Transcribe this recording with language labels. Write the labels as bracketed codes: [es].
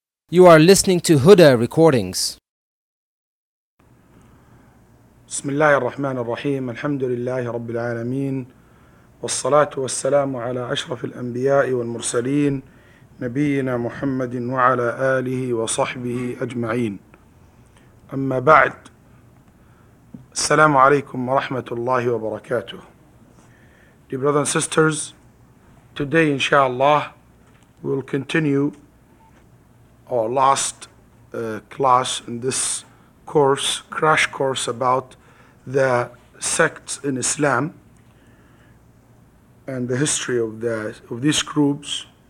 [en] You are listening to Huda Recordings. [ar] بسم الله الرحمن الرحيم الحمد لله رب العالمين والصلاة والسلام على أشرف الأنبياء والمرسلين نبينا محمد وعلى آله وصحبه أجمعين. أما بعد، السلام عليكم ورحمة الله وبركاته. [en] Dear brothers and sisters, today inshallah we will continue our last class in this course, crash course about the sects in Islam and the history of these groups.